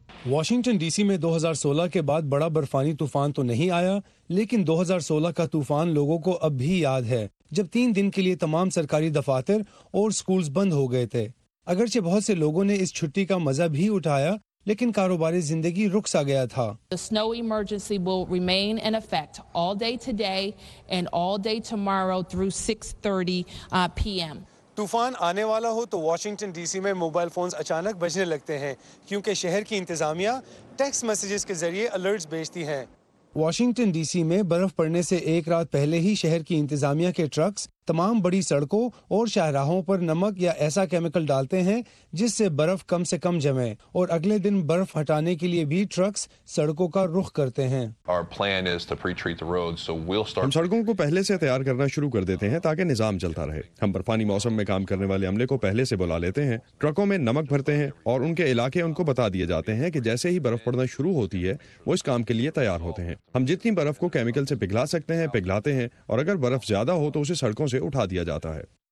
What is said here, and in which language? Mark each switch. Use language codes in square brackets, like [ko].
[ur] Washington D C میں 2016 کے بعد بڑا برفانی طوفان تو نہیں آیا، لیکن 2016 کا طوفان لوگوں کو اب بھی یاد ہے جب 3 دن کے لیے تمام سرکاری دفاتر اور سکولز بند ہو گئے تھے. اگرچہ بہت سے لوگوں نے اس چھٹی کا مزہ بھی اٹھایا لیکن کاروباری زندگی رک سا گیا تھا. [en] The snow emergency will remain in effect all day today and all day tomorrow through 6:30 p.m. [ur] طوفان آنے والا ہو تو واشنگٹن ڈی سی میں موبائل فونز اچانک بجنے لگتے ہیں کیونکہ شہر کی انتظامیہ ٹیکسٹ میسیجز کے ذریعے الرٹس بھیجتی ہیں. واشنگٹن ڈی سی میں برف پڑنے سے ایک رات پہلے ہی شہر کی انتظامیہ کے ٹرکس تمام بڑی سڑکوں اور شاہراہوں پر نمک یا ایسا کیمیکل ڈالتے ہیں جس سے برف کم سے کم جمے، اور اگلے دن برف ہٹانے کے لیے بھی ٹرکس سڑکوں کا رخ کرتے ہیں. [en] Our plan is to pre-treat the roads, so we'll start... [ur] ہم سڑکوں کو پہلے سے تیار کرنا شروع کر دیتے ہیں تاکہ نظام چلتا رہے. ہم برفانی موسم میں کام کرنے والے عملے کو پہلے سے بلا لیتے ہیں، ٹرکوں میں نمک بھرتے ہیں اور ان کے علاقے ان کو بتا دیے جاتے ہیں کہ جیسے ہی برف پڑنا شروع ہوتی ہے وہ اس کام کے لیے تیار ہوتے ہیں. ہم جتنی برف کو کیمیکل سے پگھلا سکتے ہیں پگھلاتے ہیں، اور اگر برف زیادہ ہو تو اسے سڑکوں سے اٹھا دیا جاتا ہے.